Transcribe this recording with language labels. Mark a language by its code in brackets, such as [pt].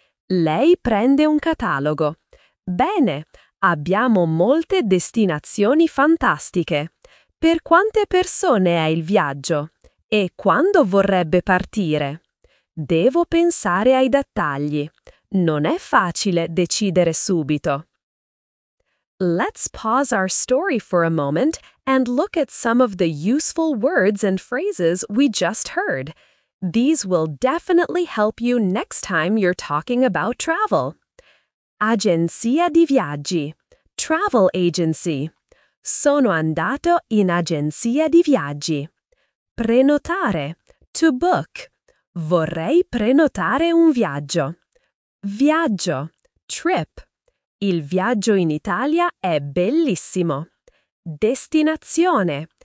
[it] Lei prende un catalogo. Bene, abbiamo molte destinazioni fantastiche. Per quante persone è il viaggio? E quando vorrebbe partire? Devo pensare ai dettagli. Non è facile decidere subito. [en] Let's pause our story for a moment and look at some of the useful words and phrases we just heard. These will definitely help you next time you're talking about travel. [it] Agenzia di viaggi. [en] Travel agency. [it] Sono andato in agenzia di viaggi. Prenotare. [en] To book. [it] Vorrei prenotare un viaggio. Viaggio. [en] Trip. [it] Il viaggio in Italia è bellissimo. Destinazione.